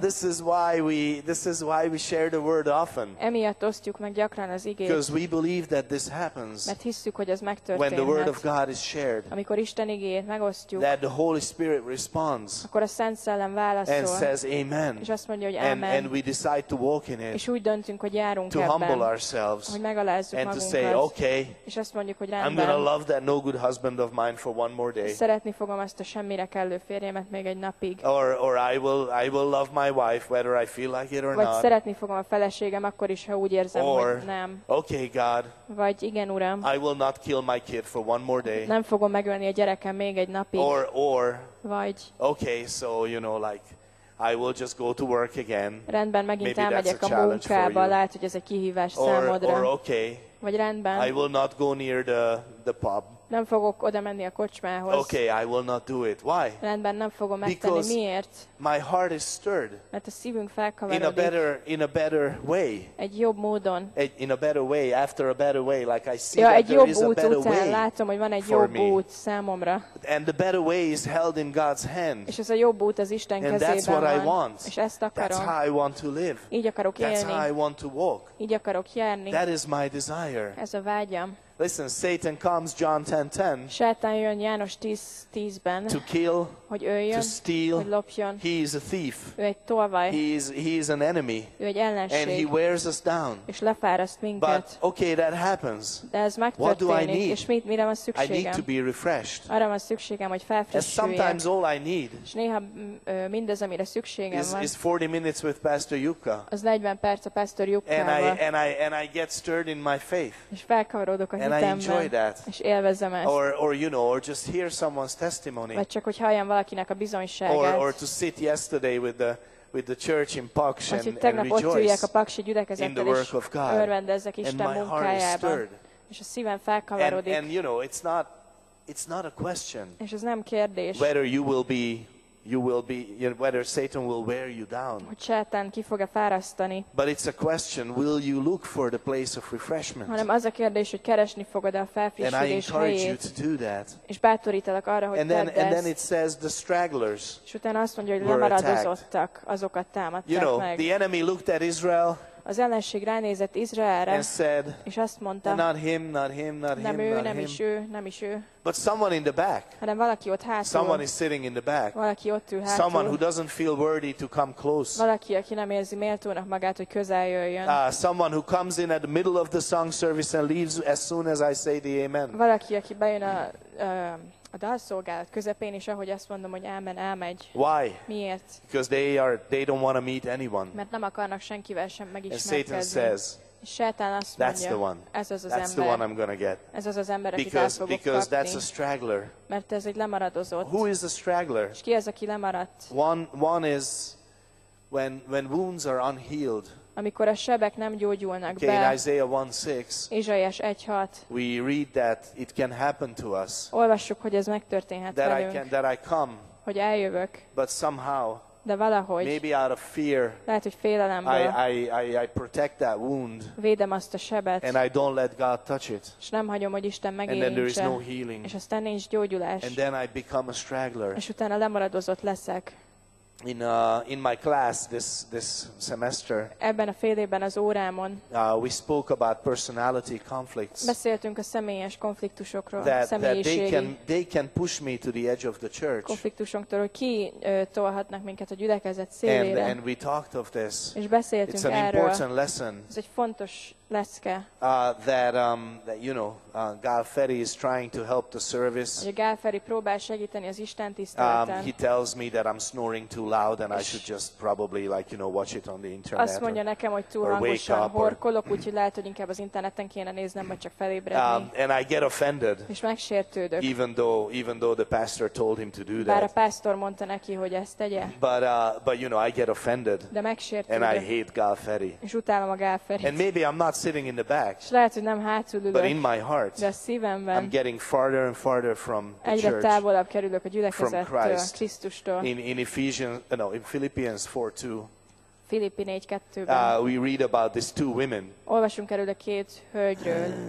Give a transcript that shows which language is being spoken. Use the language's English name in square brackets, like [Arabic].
[English] This is why we share the word often. [Hungarian] Emiatt osztjuk meg gyakran. [English] Because we believe that this happens [Hungarian] hisszük, hogy ez megtörténhet, [English] when the word of God is shared, [Hungarian] amikor Isten igéjét megosztjuk, [English] that the Holy Spirit responds, [Hungarian] akkor a Szent Szellem válaszol, [English] and says amen, [Hungarian] és azt mondja, hogy [English] amen, and we decide to walk in it, [Hungarian] és úgy döntünk, hogy járunk [English] to [Hungarian] ebben, [English] humble ourselves, [Hungarian] hogy megalázzuk [English] and [Hungarian] magunkat, [English] to say okay, [Hungarian] és azt mondjuk, hogy rendben, [English] I'm going to love that no good husband of mine for one more day, [Hungarian] szeretni fogom azt a semmire kellő férjemet még egy napig, [English] or I will love my wife whether I feel like it or [Hungarian] vagy [English] not, [Hungarian] szeretni fogom a feleségem akkor is, ha úgy érzem, [English] or, [Hungarian] hogy nem. [English] Okay, God. [Hungarian] Vagy igen, Uram. [English] I will not kill my kid for one more day. [Hungarian] Nem fogom megölni a gyerekem még egy napig. [English] Or. [Hungarian] Vagy. [English] Okay, so you know, like, I will just go to work again. [Hungarian] Rendben, megint elmegyek a munkába. Lehet, hogy ez egy kihívás számodra. [English] Or okay. [Hungarian] Vagy rendben. [English] I will not go near the pub. [Hungarian] Nem fogok oda menni a kocsmához. [English] Okay, I will not do it. Why? [Hungarian] Rendben, nem fogom megtenni. [English] Because [Hungarian] miért? [English] My heart is stirred. [Hungarian] Mert a szívünk felkavarodik. [English] In a better way. [Hungarian] Egy jobb módon. [English] In a better way, after a better way, like I see ja, that there is a better [Hungarian] után [English] way. [Hungarian] Látom, hogy van egy jobb út számomra. [English] And the better way is held in God's hand. [Hungarian] És ez a jobb út az Isten [English] and [Hungarian] kezében [English] van. And that's what I want. [Hungarian] És ezt akarom. [English] That's how I want to live. [Hungarian] Így akarok [English] that's [Hungarian] élni. [English] How I want to walk. [Hungarian] Így akarok járni. [English] That is my desire. [Hungarian] Ez a vágyam. [English] Listen, Satan comes John 10:10. [Hungarian] Sátán jön János 10:10-ben. [English] To kill. [Hungarian] Hogy öljön. [English] To steal. [Hungarian] Hogy lopjon. [English] He is a thief. [Hungarian] Ő egy tolvaj. [English] He is an enemy. [Hungarian] Ő egy ellenség. [English] And he wears us down. [Hungarian] És lefáraszt minket. [English] But okay, that happens. [Hungarian] De ez megtörténik. [English] What do I need? [Hungarian] És mire van szükségem? [English] I need to be refreshed. [Hungarian] Arra van szükségem, hogy felfrissüljek. [English] And sometimes all I need. [Hungarian] És néha mindez, amire szükségem van. [English] Is 40 minutes with Pastor Jukka. [Hungarian] Az 40 perc a Pastor Jukkával. [English] And I get stirred in my faith. [Hungarian] És felkavarodok a [English] and [Hungarian] hitemben. [English] And I enjoy that. [Hungarian] És élvezem ezt. [English] Or you know, or just hear someone's testimony. [Hungarian] Vagy csak hogy halljam valakinek a bizonyságát. [English] Or to sit yesterday with the church in Paks and rejoice. [Hungarian] Tegnap ott üljek a paksi gyülekezettel, [English] in the work of God. [Hungarian] Örvendezzek Isten munkájában. És a szívem felkavarodik. [English] And you know, it's not a question. [Hungarian] És ez nem kérdés. [English] Whether you will be whether Satan will wear you down. [Hungarian] Hogy Sátán ki fog-e fárasztani. [English] But it's a question, will you look for the place of refreshment? [Hungarian] Hanem az a kérdés, hogy keresni fogod-e a felfrissülés helyét. [English] And I encourage you to do that. [Hungarian] És bátorítalak arra, hogy tedd ezt. [English] And then it says the stragglers. [Hungarian] És utána azt mondja, hogy lemaradozottak, azokat támadták [English] you know, [Hungarian] meg. [English] The enemy looked at Israel. [Hungarian] Az ellenség ránézett Izraelre, és azt mondta, nem is ő. [English] But someone in the back. [Hungarian] Hanem valaki ott hátul. [English] Someone is sitting in the back. [Hungarian] Valaki ott ül hátul. [English] Someone who doesn't feel worthy to come close. [Hungarian] Valaki, aki nem érzi méltónak magát, hogy közel jöjjön. [English] Someone who comes in at the middle of the song service and leaves as soon as I say the amen. [Hungarian] Valaki, aki bejön a dalszolgálat közepén is, ahogy azt mondom, hogy amen, elmegy. [English] Why? [Hungarian] Miért? [English] Because they don't want to meet anyone. [Hungarian] Mert nem akarnak senkivel sem megismerkedni. [English] And Satan says, [Hungarian] Sátán azt [English] that's [Hungarian] mondja, [English] the one. [Hungarian] Ez az [English] that's [Hungarian] ember. [English] The one I'm gonna get. [Hungarian] Ez az az ember, [English] because, [Hungarian] akit el fogok [English] because [Hungarian] kapni. [English] That's a straggler. [Hungarian] Mert ez egy lemaradozott. [English] Who is a straggler? [Hungarian] És ki az, aki lemaradt? [English] One is when wounds are unhealed, [Hungarian] amikor a sebek nem gyógyulnak be, Izsaiás 1:6, [English] we read that it can happen to us, [Hungarian] olvassuk, hogy ez megtörténhet [English] that [Hungarian] velünk, [English] that I come, [Hungarian] hogy eljövök, [English] but somehow, [Hungarian] de valahogy, [English] maybe out of fear, [Hungarian] lehet, hogy félelemből, [English] I protect that wound, [Hungarian] védem azt a sebet, [English] and I don't let God touch it, [Hungarian] és nem hagyom, hogy Isten megérintse, [English] and then there is no healing, [Hungarian] és aztán nincs gyógyulás, [English] and then I become a straggler, [Hungarian] és utána lemaradozott leszek. [English] In my class this semester, [Hungarian] ebben a fél évben az órámon, [English] we spoke about personality conflicts, [Hungarian] beszéltünk a személyes konfliktusokról, [English] they can push me to the edge of the church, [Hungarian] konfliktusoktól, hogy ki tolhatnak minket a gyülekezet szélére, [English] and we talked of this, [Hungarian] és beszéltünk erről, [English] it's an important lesson, [Hungarian] ez egy fontos leszke, [English] that Gál Feri is trying to help the service, [Hungarian] hogy Gál Feri próbál segíteni az istentiszteleten, [English] he tells me that I'm snoring too loud and I should just probably watch it on the internet. [Hungarian] Azt mondja nekem, hogy túl hangosan horkolok, úgyhogy lehet, hogy inkább az interneten kéne néznem, vagy csak felébredni. [English] And I get offended. [Hungarian] És megsértődök. [English] Even though the pastor told him to do that. [Hungarian] Bár a pastor mondta neki, hogy ezt tegye. [English] But I get offended. [Hungarian] De megsértődök. [English] And I hate Gál Feri. [Hungarian] És utálom a Gál Ferit. [English] And maybe I'm not sitting in the back. [Hungarian] És lehet, hogy nem hátul ülök. [English] But in my heart. [Hungarian] De a szívemben. [English] I'm getting farther and farther from the church. [Hungarian] Egyre távolabb kerülök a gyülekezettől, Krisztustól. [English] In Ephesians, no, in Philippians 4:2, [Hungarian] Filippi 4:2, [English] we read about these two women. [Hungarian] Olvasunk erről a két hölgyről.